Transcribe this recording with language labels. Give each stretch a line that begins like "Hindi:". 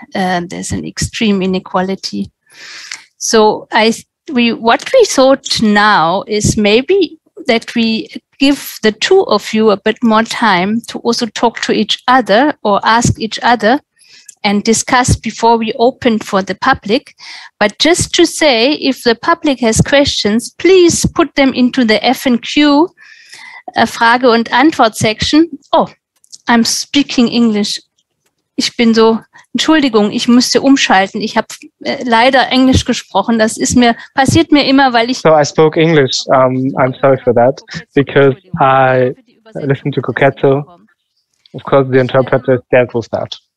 English: There's an extreme inequality. So what we thought now is maybe that we give the two of you a bit more time to also talk to each other or ask each other and discuss before we open for the public. But just to say, if the public has questions, please put them into the FAQ,
German: Frage und Antwort
English: section. Oh, I'm speaking English.
German: Ich bin so, Entschuldigung, ich musste umschalten. Ich habe leider Englisch gesprochen. Das ist mir, passiert mir immer, weil ich...
English: So I spoke English. I'm sorry for that, because I listened to Koketso. Of course, the interpreter is there for that.